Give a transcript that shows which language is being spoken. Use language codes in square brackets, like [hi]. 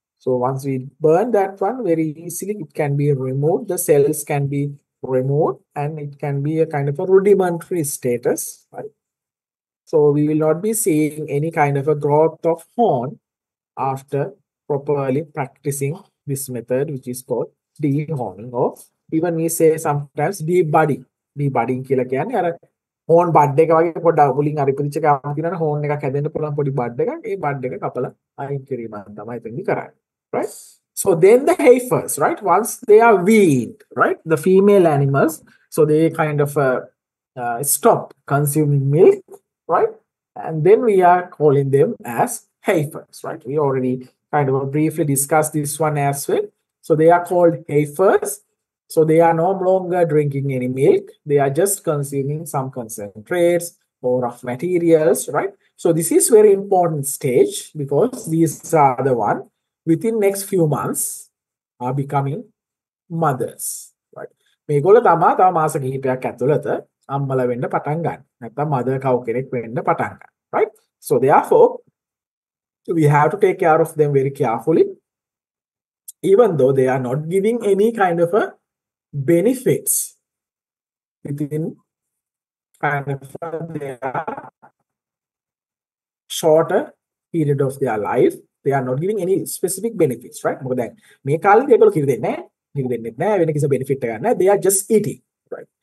[en] So once we burn that one, very easily it can be removed, the cells can be removed, and it can be a kind of a rudimentary status, right? So we will not be seeing any kind of a growth of horn after properly practicing this method, which is called dehorning, or even we say sometimes debudding. [si] Debudding kiyala kiyanne ara horn bud එක වගේ පොඩ්ඩක් මුලින් අර ඉපදිච්ච ගාම තියෙන horn එකක් හැදෙන්න පුළුවන් පොඩි bud එකක්. ඒ bud එක කපලා අයින් කිරීමක් තමයි එතනදී කරන්නේ, right? [en] So then the heifers, right? Once they are weaned, right? The female animals, so they kind of stop consuming milk, right? And then we are calling them as heifers, right? We already kind of briefly discussed this one as well. So they are called heifers. So they are no longer drinking any milk. They are just consuming some concentrates or rough materials, right? So this is very important stage, because these are the one within next few months are becoming mothers, right? [si] මේගොල්ල තමයි තව මාස කිහිපයක් ඇතුළත අම්මල වෙන්න පටන් ගන්න. නැත්නම් mother cow කෙනෙක් වෙන්න පටන් ගන්න, right? [en] So therefore, we have to take care of them very carefully. Even though they are not giving any kind of a benefits within kind of their shorter period of their life, they are not giving any specific benefits, right? [si] මොකද මේ කාලේදී ඒගොල්ලෝ කිරි දෙන්නේ නැහැ, වෙන කිසි benefit එකක් නැහැ. [en] They are just eating, right?